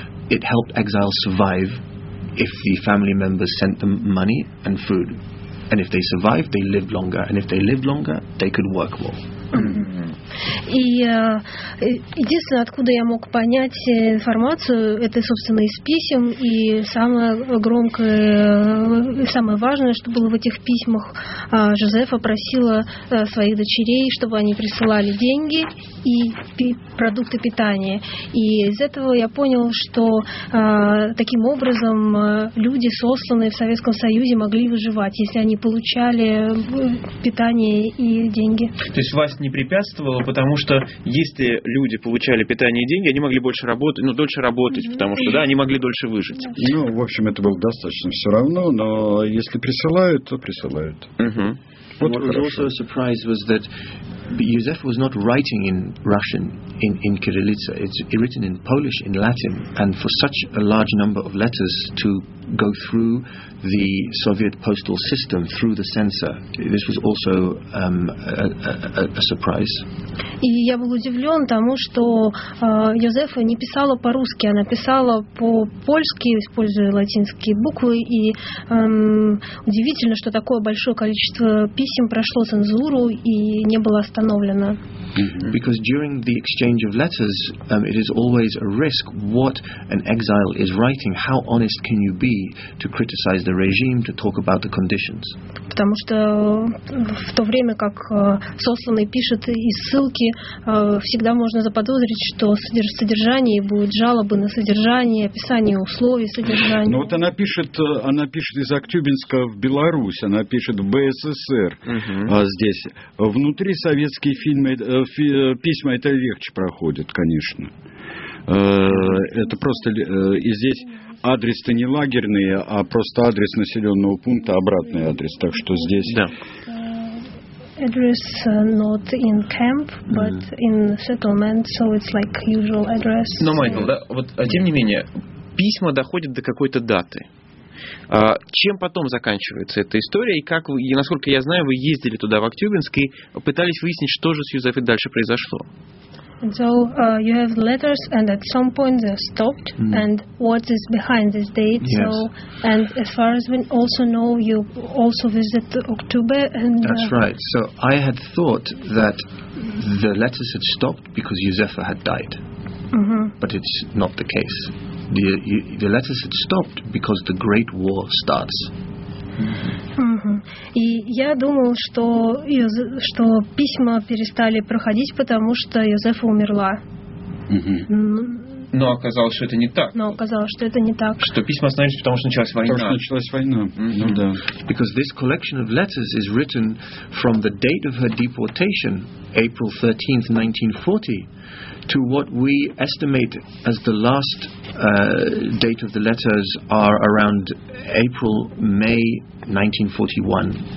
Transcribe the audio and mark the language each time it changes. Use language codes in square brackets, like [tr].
[en] It helped exiles survive if the family members sent them money and food. And if they survived, they lived longer. And if they lived longer, they could work more. [ru] И единственное, откуда я мог понять информацию, это, собственно, из писем. И самое громкое, самое важное, что было в этих письмах, Жозефа просила своих дочерей, чтобы они присылали деньги и продукты питания. И из этого я понял, что таким образом люди, сосланные в Советском Союзе, могли выживать, если они получали питание и деньги. То есть власть не препятствовала, потому что если люди получали питание и деньги, они могли больше работать, ну, дольше работать, mm-hmm. потому что, да, они могли дольше выжить. [en] Yeah. [ru] Ну, в общем, это было достаточно все равно, но если присылают, то присылают. Uh-huh. [en] Вот what was also a surprise was that Юзеф was not writing in Russian in Kirillitsa. It's written in Polish, in Latin, and for such a large number of letters to go through the Soviet postal system through the censor. This was also a surprise. [ru] И я был удивлен тому, что Юзефа не писала по-русски, она писала по-польски, используя латинские буквы, и удивительно, что такое большое количество писем прошло цензуру и не было остановлено. [en] Because during the exchange of letters, it is always a risk what an exile is writing. How honest can you be to criticize the regime, to talk about the conditions? [ru] Потому что в то время, как сосланный пишет из ссылки, всегда можно заподозрить, что содержание будет жалобы на содержание, описание условий содержания. Ну вот она пишет из Актюбинска в Беларусь, она пишет в БССР, а здесь внутри советские фильмы, письма это легче проходит, конечно. Это просто и здесь. Адрес-то не лагерный, а просто адрес населенного пункта, обратный адрес. Так что здесь... Да. [en] Address not in camp, but in settlement, so it's like usual address. [ru] Но, Майкл, да, вот, тем не менее, письма доходят до какой-то даты. Чем потом заканчивается эта история? И как вы, и насколько я знаю, вы ездили туда, в Актюбинск, и пытались выяснить, что же с Юзефой дальше произошло? [en] And so you have letters, and at some point they're stopped. Mm. And what is behind this date? Yes. So, and as far as we also know, you also visit October. And that's right. So I had thought that the letters had stopped because Юзефа had died, but it's not the case. The letters had stopped because the Great War starts. [ru] И я думал, что, что письма перестали проходить, потому что Юзефа умерла. Но оказалось, что это не так. Но оказалось, что это не так. Что письма остановились, потому что началась война. Потому что началась война. Mm-hmm. Ну да. [en] Because this collection of letters is written from the date of her deportation, April 13th, 1940, to what we estimate as the last date of the letters are around April, May 1941.